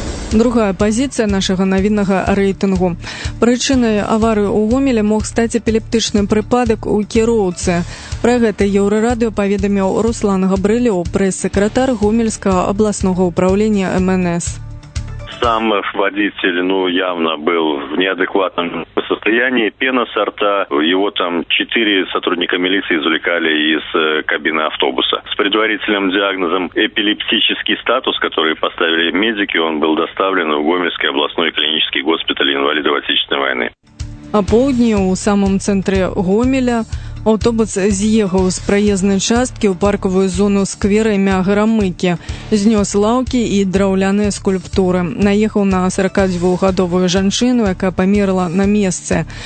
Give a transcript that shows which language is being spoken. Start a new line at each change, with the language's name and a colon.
Belarusian: Другая пазіцыя нашага навіннага рэйтынгу. Прычынай аварыі ў Гомелі мог стаць эпілептычны прыпадак у кіроўцы. Пра гэта Еўрарадыё паведаміў Руслан Габрылёў, прэс-сакратар Гомельскага абласнога ўпраўлення МНС.
Russian: Сам водитель, явно был в неадекватном состоянии. Пена со рта. Его там 4 сотрудника милиции извлекали из кабины автобуса. С предварительным диагнозом эпилептический статус, который поставили медики, он был доставлен в Гомельский областной клинический госпиталь инвалидов Отечественной войны.
Belarusian: А поўдні у
Russian: самом центре
Belarusian: Гомеля автобус з'ехаў з праезнай часткі ў паркавую зону сквера імя Грамыкі, знёс лаўкі і драўляныя скульптуры. Наехаў на 42-гадовую жанчыну, якая памерла на месцы.